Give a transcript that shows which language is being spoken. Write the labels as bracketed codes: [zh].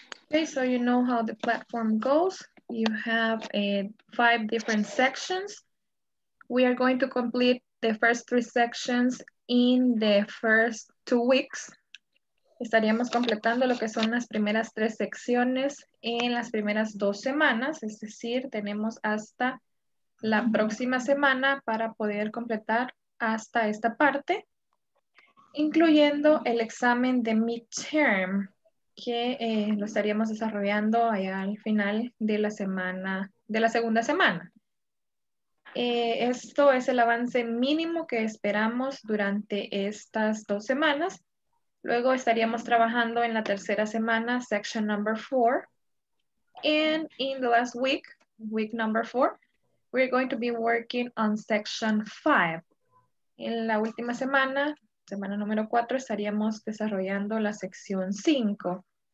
[en] Okay, so you know how the platform goes. You have five different sections. We are going to complete the first three sections in the first 2 weeks. [es] Estaríamos completando lo que son las primeras tres secciones en las primeras dos semanas, es decir, tenemos hasta la próxima semana para poder completar hasta esta parte, incluyendo el examen de midterm, que lo estaríamos desarrollando allá al final de la semana, de la segunda semana. Esto es el avance mínimo que esperamos durante estas dos semanas. Luego estaríamos trabajando en la tercera semana, [en] section number four. And in the last week, week number four, we're going to be working on section five. [es] En la última semana, semana número 4, estaríamos desarrollando la sección 5.